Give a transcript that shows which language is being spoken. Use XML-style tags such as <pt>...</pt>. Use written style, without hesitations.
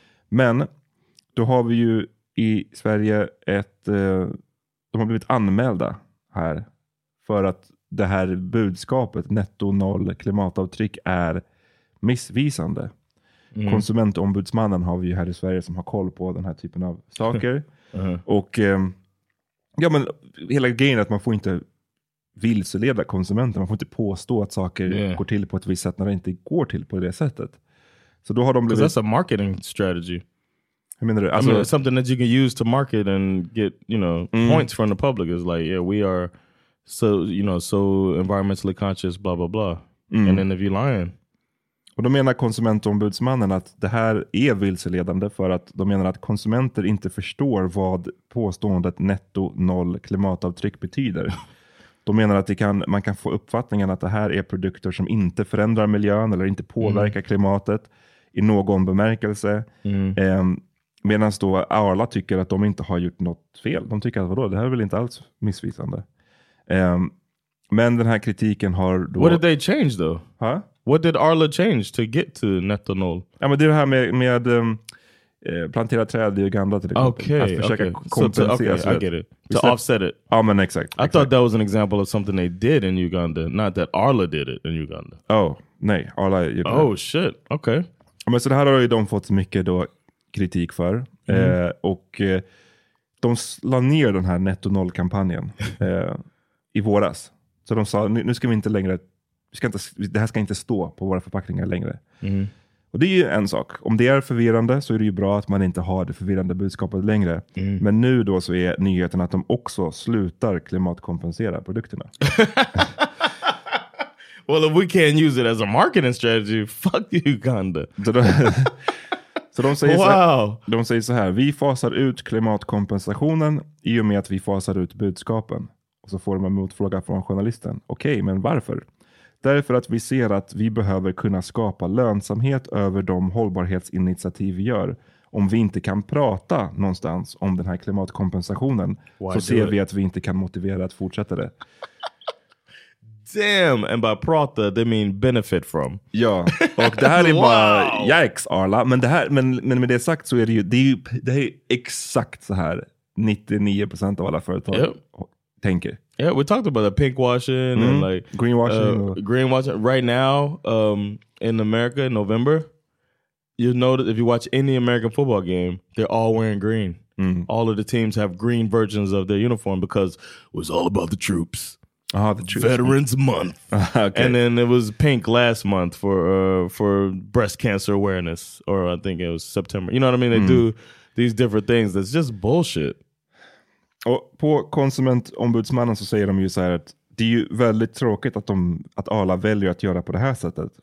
<sv>Men då har vi ju i Sverige ett, de har blivit anmälda här för att det här budskapet netto noll klimatavtryck är missvisande. Mm. Konsumentombudsmannen har vi ju här i Sverige som har koll på den här typen av saker. Och ja, men hela grejen är att man får inte vilseleda konsumenten. Man får inte påstå att saker går till på ett visst sätt när det inte går till på det sättet. Så då har de blivit...</sv> <en>That's a marketing strategy.</en> <sv>Hur menar du? Alltså,</sv> <en>I mean, something that you can use to market and get, you know, points from the public is like, yeah, we are so, you know, so environmentally conscious, blah, blah, blah. And then if you're lying...</en> <sv>Och då menar konsumentombudsmannen att det här är vilseledande för att de menar att konsumenter inte förstår vad påståendet netto noll klimatavtryck betyder. De menar att det kan, man kan få uppfattningen att det här är produkter som inte förändrar miljön eller inte påverkar klimatet i någon bemärkelse. Medan då Arla tycker att de inte har gjort något fel. De tycker att vadå, det här är väl inte alls missvisande. Men den här kritiken har då...</sv> <en>What did they change though? Ha? What did Arla change to get to netto noll?</en> <sv>Ja, men det är det här med plantera träd i Uganda till exempel.</sv> <en>Okay,</en> <sv>att försöka kompensera.</sv> <en>So, okay, I get it. To offset it.</en> <sv>Ja, men exakt.</sv> <en>I thought that was an example of something they did in Uganda, not that Arla did it in Uganda.</en> <sv>Oh, nej. Arla gjorde det.</sv> <en>Oh, shit. Okay.</en> <sv>Ja, men så det här har ju de fått mycket då kritik för. Och de la ner den här netto noll-kampanjen i våras. Så de sa, nu ska vi inte längre... det här ska inte stå på våra förpackningar längre. Och det är ju en sak. Om det är förvirrande så är det ju bra att man inte har det förvirrande budskapet längre. Men nu då så är nyheten att de också slutar klimatkompensera produkterna.</sv> <en>Well, if we can't use it as a marketing strategy, fuck you, Uganda.</en> <sv>Så de säger,</sv> <en>wow.</en> <sv>Så här, de säger så här, vi fasar ut klimatkompensationen i och med att vi fasar ut budskapen. Och så får de en motfråga från journalisten. Okej, men varför? Därför att vi ser att vi behöver kunna skapa lönsamhet över de hållbarhetsinitiativ vi gör. Om vi inte kan prata någonstans om den här klimatkompensationen, why så ser vi att vi inte kan motivera att fortsätta det. Damn, and by prata, they mean benefit from. Ja, och det här är bara, yikes Arla. Men, det här, men med det sagt så är det ju, det är exakt så här 99% av alla företag tänker.</sv> <en>Yeah, we talked about the pinkwashing and like greenwashing. Right now, in America, in November, you know that if you watch any American football game, they're all wearing green. All of the teams have green versions of their uniform because it was all about the troops. Ah, the troops. Veterans Month. Okay. And then it was pink last month for breast cancer awareness, or I think it was September. You know what I mean? They do these different things. That's just bullshit.</en> <sv>Och på konsumentombudsmannen så säger de ju så här att det är ju väldigt tråkigt att, att Arla väljer att göra på det här sättet.</sv>